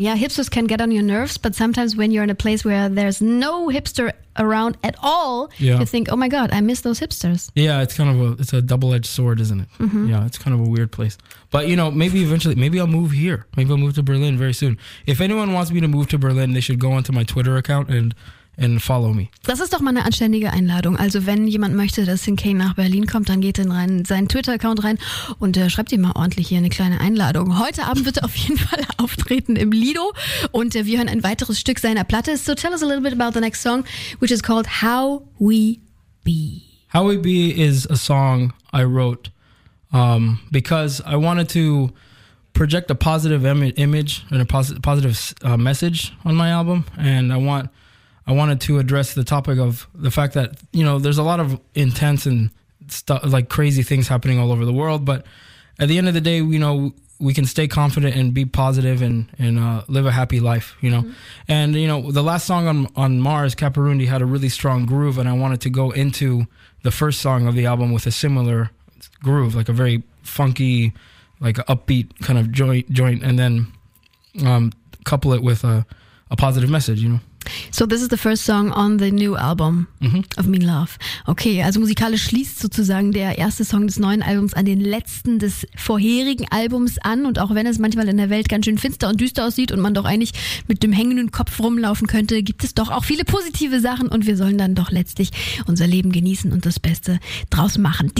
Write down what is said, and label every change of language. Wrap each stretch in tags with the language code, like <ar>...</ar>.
<en>Yeah, hipsters can get on your nerves, but sometimes when you're in a place where there's no hipster around at all, you think, oh my God, I miss those hipsters. Yeah, it's a double-edged sword, isn't it? Mm-hmm. Yeah, it's kind of a weird place. But maybe I'll move here. Maybe I'll move to Berlin very soon. If anyone wants me to move to Berlin, they should go onto my Twitter account and follow me.</en> <de>Das ist doch mal eine anständige Einladung. Also wenn jemand möchte, dass Sinkane nach Berlin kommt, dann geht in seinen Twitter-Account rein und schreibt ihm mal ordentlich hier eine kleine Einladung. Heute Abend wird er auf jeden Fall auftreten im Lido und wir hören ein weiteres Stück seiner Platte.</de> <en>So tell us a little bit about the next song, which is called How We Be. How We Be is a song I wrote because I wanted to project a positive image and a positive message on my album, and I wanted to address the topic of the fact that, there's a lot of intense and crazy things happening all over the world. But at the end of the day, we can stay confident and be positive and live a happy life, mm-hmm. And, the last song on Mars, Caperundi, had a really strong groove. And I wanted to go into the first song of the album with a similar groove, like a very funky, like upbeat kind of joint and then couple it with a positive message, So this is the first song on the new album of Mean Love.</en> <de>Okay, also musikalisch schließt sozusagen der erste Song des neuen Albums an den letzten des vorherigen Albums an. Und auch wenn es manchmal in der Welt ganz schön finster und düster aussieht und man doch eigentlich mit dem hängenden Kopf rumlaufen könnte, gibt es doch auch viele positive Sachen und wir sollen dann doch letztlich unser Leben genießen und das Beste draus machen.</de>